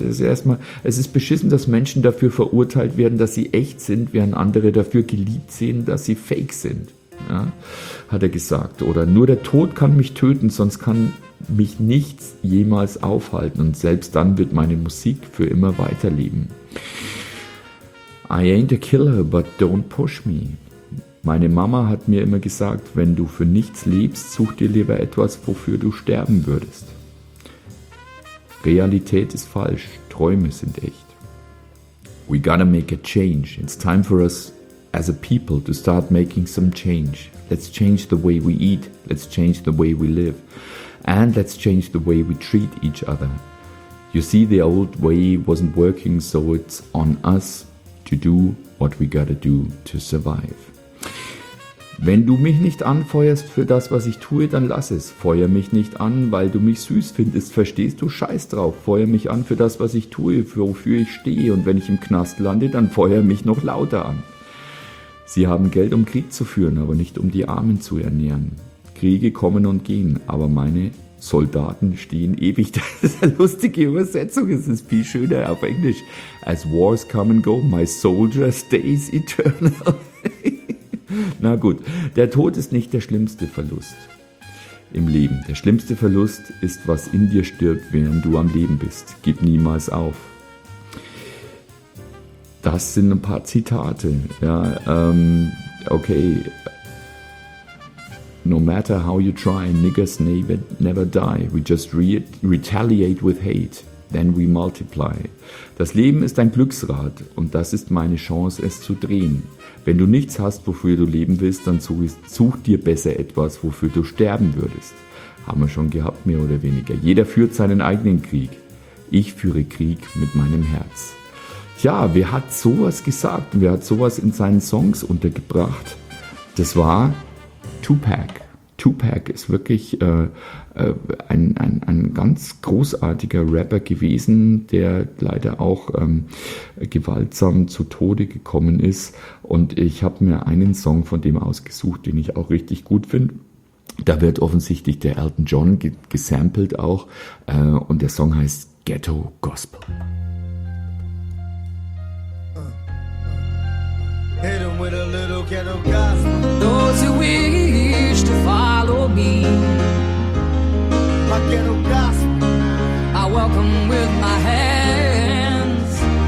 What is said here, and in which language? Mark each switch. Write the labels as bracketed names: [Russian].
[German] Es ist erstmal, es ist beschissen, dass Menschen dafür verurteilt werden, dass sie echt sind, während andere dafür geliebt sehen, dass sie fake sind. Ja, hat er gesagt. Oder nur der Tod kann mich töten, sonst kann mich nichts jemals aufhalten, und selbst dann wird meine Musik für immer weiterleben. [English] I ain't a killer, but don't push me. [German] Meine Mama hat mir immer gesagt, wenn du für nichts lebst, such dir lieber etwas, wofür du sterben würdest. Realität ist falsch, Träume sind echt. [English] We gotta make a change. It's time for us as a people to start making some change. Let's change the way we eat, let's change the way we live, and let's change the way we treat each other. You see, the old way wasn't working, so it's on us to do what we gotta do to survive. [German] Wenn du mich nicht anfeuerst für das, was ich tue, dann lass es. Feuer mich nicht an, weil du mich süß findest, verstehst du? Scheiß drauf. Feuer mich an für das, was ich tue, für wofür ich stehe. Und wenn ich im Knast lande, dann feuer mich noch lauter an. Sie haben Geld, um Krieg zu führen, aber nicht um die Armen zu ernähren. Kriege kommen und gehen, aber meine Soldaten stehen ewig. Das ist eine lustige Übersetzung, es ist viel schöner auf Englisch. [English] As wars come and go, my soldier stays eternal. [German] Na gut, der Tod ist nicht der schlimmste Verlust im Leben. Der schlimmste Verlust ist, was in dir stirbt, während du am Leben bist. Gib niemals auf. Das sind ein paar Zitate. Ja, okay. [English] No matter how you try, niggers never die. We just retaliate with hate. Then we multiply. [German] Das Leben ist ein Glücksrad und das ist meine Chance, es zu drehen. Wenn du nichts hast, wofür du leben willst, dann such dir besser etwas, wofür du sterben würdest. Haben wir schon gehabt, mehr oder weniger. Jeder führt seinen eigenen Krieg. Ich führe Krieg mit meinem Herz. Tja, wer hat sowas gesagt? Wer hat sowas in seinen Songs untergebracht? Das war Tupac. Tupac ist wirklich ein ganz großartiger Rapper gewesen, der leider auch gewaltsam zu Tode gekommen ist. Und ich habe mir einen Song von dem ausgesucht, den ich auch richtig gut finde. Da wird offensichtlich der Elton John gesampelt auch. Und der Song heißt Ghetto Gospel. [English] Hit him with a little ghetto gospel. Those who wish to follow me, my ghetto gospel, I welcome with my hands.